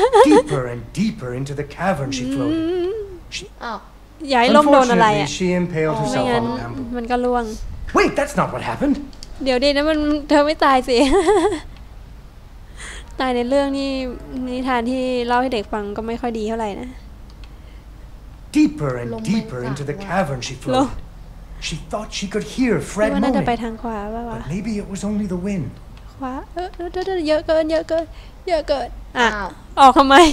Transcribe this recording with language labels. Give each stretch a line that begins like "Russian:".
English: Deeper and deeper into the cavern she floated.
Thai: ยายล้มโดนอะไรอ่ะ
English: ชีมเพลทูเซลฟ์ออนแอม
Thai: มันก็ล่วง
English: Wait that's not what happened
Thai: เดี๋ยวดินะมันเธอไม่ตายสิตายในเรื่องนี้นิทานที่เล่าให้เด็กฟังก็ไม่ค่อยดีเท่าไหร่นะ
English: Deeper and deeper into the cavern she flew She thought she could hear Fred moaning
Thai: มันน่าจะไปทางขวาป่ะวะ
English: Maybe it was only the wind
Thai: ขวาเออเยอะเกินเยอะเกินเยอะเกินอ้าวออกทำไม